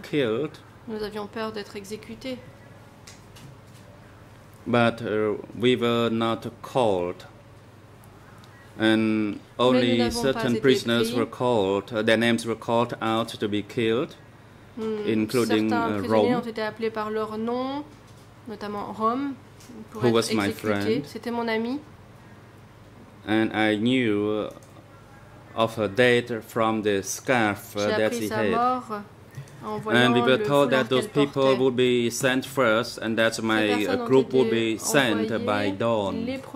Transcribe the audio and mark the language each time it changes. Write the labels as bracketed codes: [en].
[fr] killed. Nous avions peur d'être exécutés. [en] But we were not called. And only certain prisoners were called. Their names were called out to be killed, including Rome. [fr] Certains prisonniers ont été appelés par leur nom, notamment Rome, pour être exécutés. C'était mon ami. [en] And I knew of her death from the scarf that she had. And we were told that those people would be sent first and that my group would be sent by dawn.